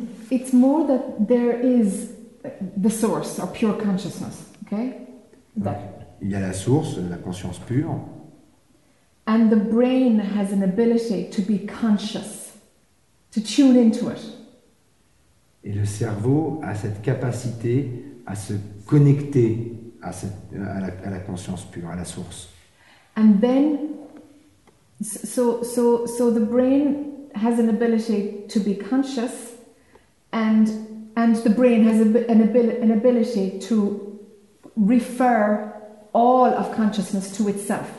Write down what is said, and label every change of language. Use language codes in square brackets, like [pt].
[en] It's more that there is the source or pure consciousness, okay? [fr] Il y a la source, la conscience pure. [en] And the brain has an ability to be conscious, to tune into it. [fr] Et le cerveau a cette capacité à se connecter à la conscience pure, à la source. [en] And then, so the brain has an ability to be conscious, and the brain has an ability to refer all of consciousness to itself.